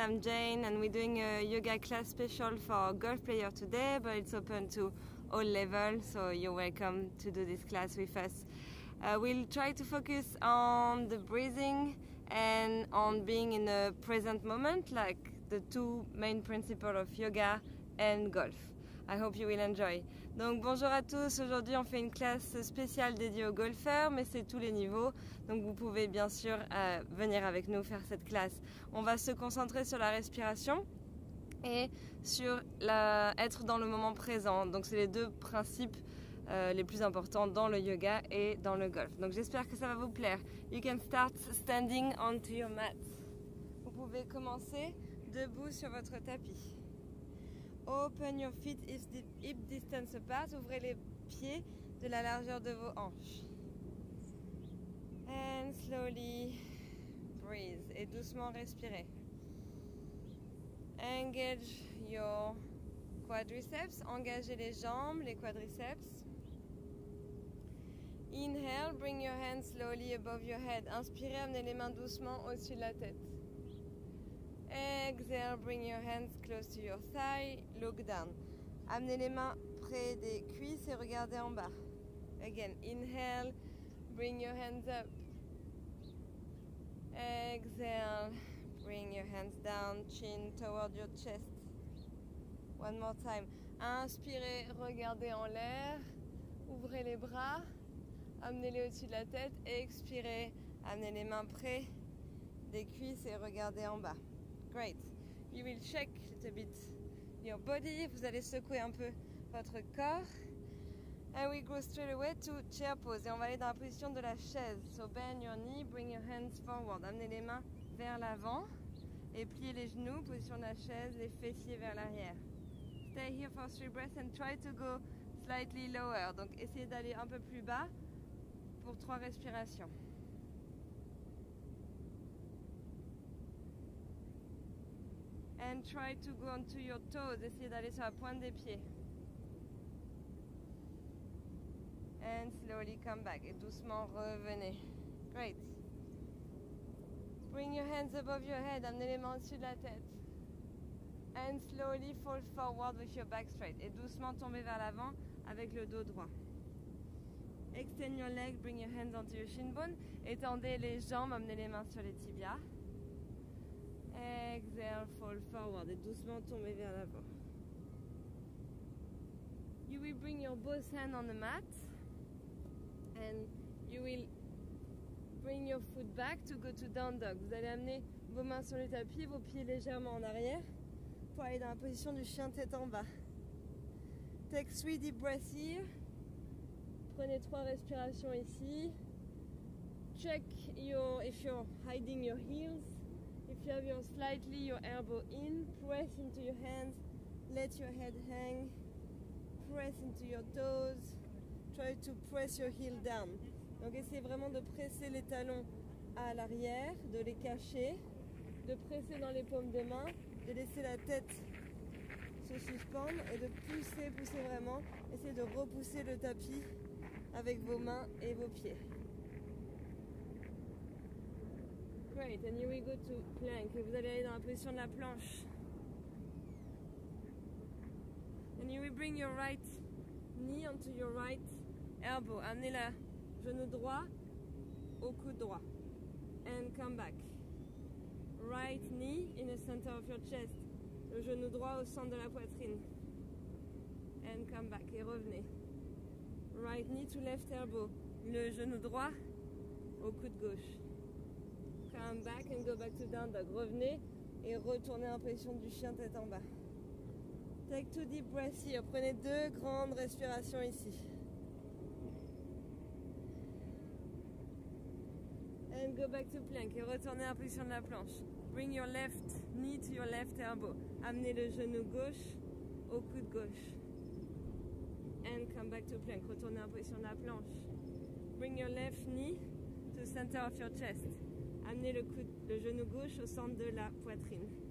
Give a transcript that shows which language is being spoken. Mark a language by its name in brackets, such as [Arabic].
[English] I'm Jane, and we're doing a yoga class special for golf player today, but it's open to all levels, so you're welcome to do this class with us. We'll try to focus on the breathing and on being in the present moment, like the two main principles of yoga and golf. I hope you will enjoy. [French] Donc bonjour à tous, aujourd'hui on fait une classe spéciale dédiée aux golfeurs, mais c'est tous les niveaux, donc vous pouvez bien sûr venir avec nous faire cette classe. On va se concentrer sur la respiration et sur être dans le moment présent. Donc c'est les deux principes les plus importants dans le yoga et dans le golf. Donc j'espère que ça va vous plaire. [English] You can start standing onto your mat. [French] Vous pouvez commencer debout sur votre tapis. [English] Open your feet hip distance apart. [French] Ouvrez les pieds de la largeur de vos hanches. [English] And slowly breathe. [French] Et doucement respirez. [English] Engage your quadriceps. [French] Engagez les jambes, les quadriceps. [English] Inhale, bring your hands slowly above your head. [French] Inspirez, amenez les mains doucement au-dessus de la tête. [English] Exhale, bring your hands close to your thigh, look down. [French] Amenez les mains près des cuisses et regardez en bas. [English] Again, inhale, bring your hands up. Exhale, bring your hands down, chin toward your chest. One more time. [French] Inspirez, regardez en l'air, ouvrez les bras, amenez-les au-dessus de la tête. Expirez, amenez les mains près des cuisses et regardez en bas. [English] Great. You will shake a little bit your body. [French] Vous allez secouer un peu votre corps. [English] And we go straight away to chair pose. [French] Et on va aller dans la position de la chaise. [English] So bend your knee, bring your hands forward. [French] Amenez les mains vers l'avant et pliez les genoux, position de la chaise, les fessiers vers l'arrière. [English] Stay here for three breaths and try to go slightly lower. [French] Donc essayez d'aller un peu plus bas pour trois respirations. [English] And try to go onto your toes. [French] Essayez d'aller sur la pointe des pieds. [English] And slowly come back. [French] Et doucement revenez. [English] Great. Bring your hands above your head. [French] Amenez les mains au-dessus de la tête. [English] And slowly fall forward with your back straight. [French] Et doucement tombez vers l'avant avec le dos droit. [English] Extend your leg. Bring your hands onto your shin bone. [French] Étendez les jambes. Amenez les mains sur les tibias. [English] Exhale, fall forward [French] et doucement tomber vers l'avant. [English] You will bring your both hands on the mat and you will bring your foot back to go to down dog. [French] Vous allez amener vos mains sur le tapis, vos pieds légèrement en arrière pour aller dans la position du chien tête en bas. [English] Take three deep breaths here. [French] Prenez trois respirations ici. [English] Check if you're hiding your heels. If you have slightly your elbow in, press into your hands, let your head hang, press into your toes, try to press your heel down. [French] Donc essayez vraiment de presser les talons à l'arrière, de les cacher, de presser dans les paumes des mains, de laisser la tête se suspendre et de pousser, pousser vraiment. Essayez de repousser le tapis avec vos mains et vos pieds. [English] Great, and here we go to plank. [French] Et vous allez aller dans la position de la planche. [English] And you will bring your right knee onto your right elbow. [French] Amenez le genou droit au coude droit. [English] And come back. Right knee in the center of your chest. [French] Le genou droit au centre de la poitrine. [English] And come back. [French] Et revenez. [English] Right knee to left elbow. [French] Le genou droit au coude gauche. [English] Come back and go back to down dog. [French] Revenez et retournez en position du chien tête en bas. [English] Take two deep breaths here. [French] Prenez deux grandes respirations ici. [English] And go back to plank [French] et retournez en position de la planche. [English] Bring your left knee to your left elbow. [French] Amenez le genou gauche au coude gauche. [English] And come back to plank. [French] Retournez en position de la planche. [English] Bring your left knee to the center of your chest. [French] Amenez le genou gauche au centre de la poitrine.